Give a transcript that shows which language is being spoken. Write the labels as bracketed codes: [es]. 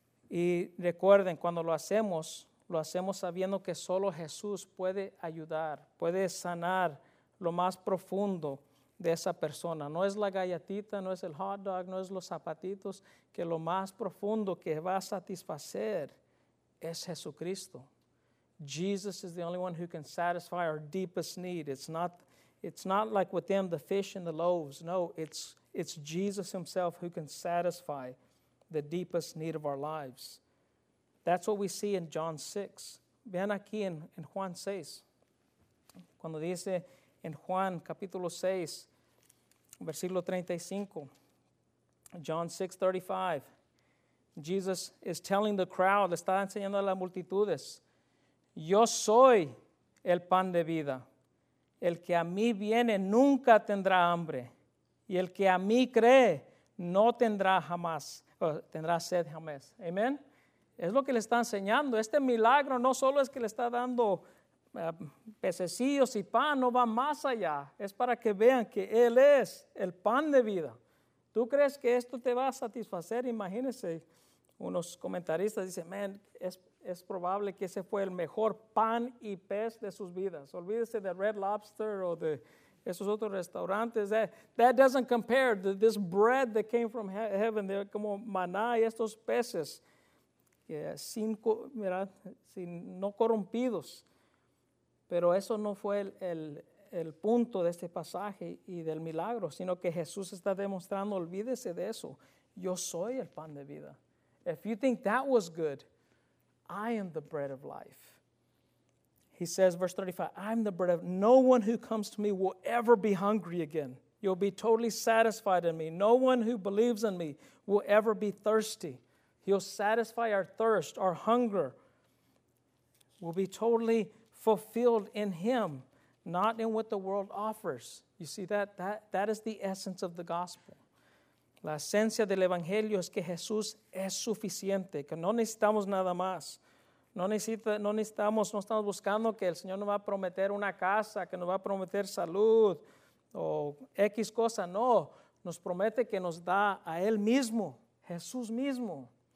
[es] Y recuerden, cuando lo hacemos sabiendo que solo Jesús puede ayudar, puede sanar lo más profundo de esa persona. No es la galletita, no es el hot dog, no es los zapatitos, que lo más profundo que va a satisfacer es Jesucristo. [en] Jesus is the only one who can satisfy our deepest need. It's not like with them, the fish and the loaves. No, it's Jesus himself who can satisfy the deepest need of our lives. That's what we see in John 6. [es] Vean aquí en Juan 6. Cuando dice en Juan capítulo 6, versículo 35. [en] John 6, 35. Jesus is telling the crowd, [es] está enseñando a las multitudes. Yo soy el pan de vida. El que a mí viene nunca tendrá hambre. Y el que a mí cree no tendrá jamás. Tendrá sed jamás. Amén. Es lo que le está enseñando. Este milagro no solo es que le está dando pececillos y pan. No va más allá. Es para que vean que Él es el pan de vida. ¿Tú crees que esto te va a satisfacer? Imagínense. Unos comentaristas dicen, man, es probable que ese fue el mejor pan y pez de sus vidas. Olvídese de Red Lobster o de esos otros restaurantes. [en] That doesn't compare to this bread that came from heaven. [es] They're como maná y estos peces. Sin no corrompidos. Pero eso no fue el punto de este pasaje y del milagro. Sino que Jesús está demostrando, olvídese de eso. Yo soy el pan de vida. [en] If you think that was good, I am the bread of life. He says, verse 35, I'm the bread of life. No one who comes to me will ever be hungry again. You'll be totally satisfied in me. No one who believes in me will ever be thirsty. He'll satisfy our thirst, our hunger. We'll be totally fulfilled in him, not in what the world offers. You see that? That is the essence of the gospel. [es] La esencia del Evangelio es que Jesús es suficiente, que no necesitamos nada más. No estamos buscando que el Señor nos va a prometer una casa, que nos va a prometer salud o X cosa. No, nos promete que nos da a Él mismo, Jesús mismo.